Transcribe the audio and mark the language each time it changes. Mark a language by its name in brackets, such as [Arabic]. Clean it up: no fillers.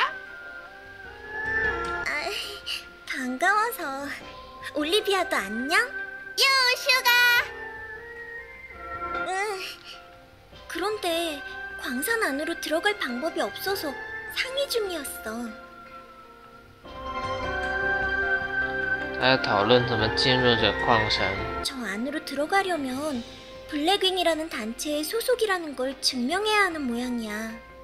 [Korean] 아, 반가워서. 올리비아도 안녕? 요, 슈가! 그런데 광산 안으로 들어갈 방법이 없어서 상의 중이었어. 다들 [Chinese] 討論怎麼進入這礦山. [Korean] 저 안으로 들어가려면 블랙윙이라는 단체의 소속이라는 걸 증명해야 하는 모양이야.